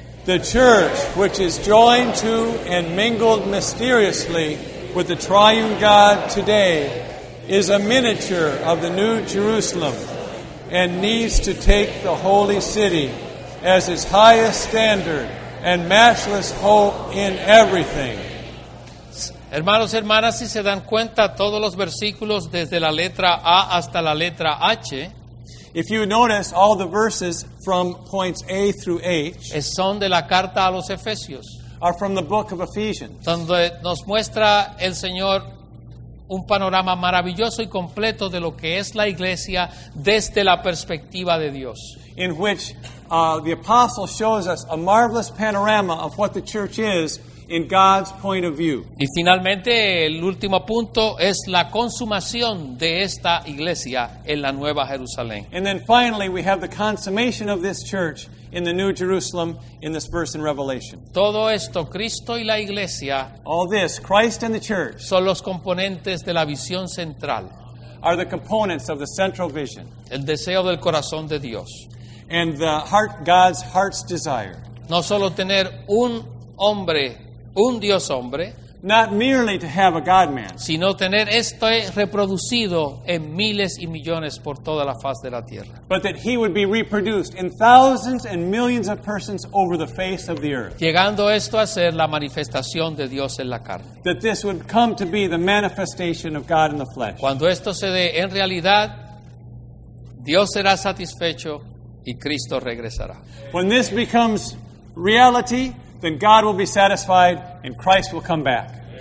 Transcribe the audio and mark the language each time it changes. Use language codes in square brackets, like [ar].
[en] The church, which is joined to and mingled mysteriously with the triune God today, is a miniature of the New Jerusalem and needs to take the holy city as its highest standard and matchless hope in everything. [es] Hermanos, hermanas, si se dan cuenta, todos los versículos desde la letra A hasta la letra H. [en] If you notice, all the verses from points A through H [es] son de la carta a los Efesios, [en] are from the book of Ephesians. [es] Donde nos muestra el Señor un panorama maravilloso y completo de lo que es la iglesia desde la perspectiva de Dios. [en] In which the apostle shows us a marvelous panorama of what the church is in God's point of view. [es] Y finalmente, el último punto es la consumación de esta iglesia en la Nueva Jerusalén. [en] And then finally, we have the consummation of this church in the New Jerusalem in this verse in Revelation. [es] Todo esto, Cristo y la iglesia, [en] all this, Christ and the church, [es] son los componentes de la visión central, [en] are the components of the central vision, [es] el deseo del corazón de Dios, [en] and the heart, God's heart's desire. [es] No solo tener un hombre, un Dios hombre, [en] not merely to have a God-man, [es] sino tener esto reproducido en miles y millones por toda la faz de la tierra, [en] but that he would be reproduced in thousands and millions of persons over the face of the earth, [es] llegando esto a ser la manifestación de Dios en la carne, [en] that this would come to be the manifestation of God in the flesh. [es] Cuando esto se dé en realidad, Dios será satisfecho y Cristo regresará. [en] When this becomes reality, then God will be satisfied and Christ will come back.